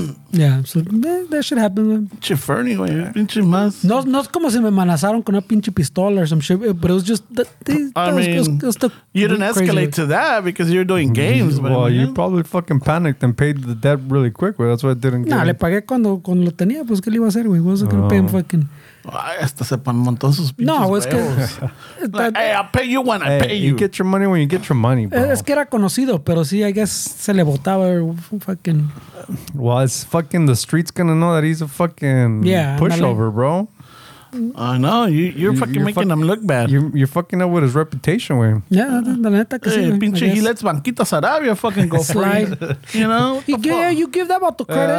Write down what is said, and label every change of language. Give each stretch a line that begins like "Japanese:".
English: Yeah, so that should happen.
Spanish: Pinche Fernie, güey. Pinche más. No es como si me amenazaron con una pinche pistola
English: or some shit, but it was just... You didn't escalate to that because you're doing games. Well, but, you probably fucking panicked and paid the debt really quick, güey. That's why it didn't get...
Spanish: Nah, le pagué cuando lo tenía, pues, ¿qué le iba a hacer, güey?
English: Wasn't going to pay him fucking...
Spanish: Ay, hasta se pan montó sus pinches huevos.
English: No, hey, I'll pay you when I pay you. You get your money when you get your money, bro.
Spanish: Es que era conocido, pero sí,
English: I guess
Spanish: se le botaba fucking...
English: Well, it's fucking the streets gonna know that he's a fucking pushover, bro. I know. You're fucking making him look bad. You're fucking up with his reputation with him. Yeah, the
Spanish: neta que sí.
English: Pinche, he lets Banquita Sarabia fucking go slide. You know? You give them all the credit.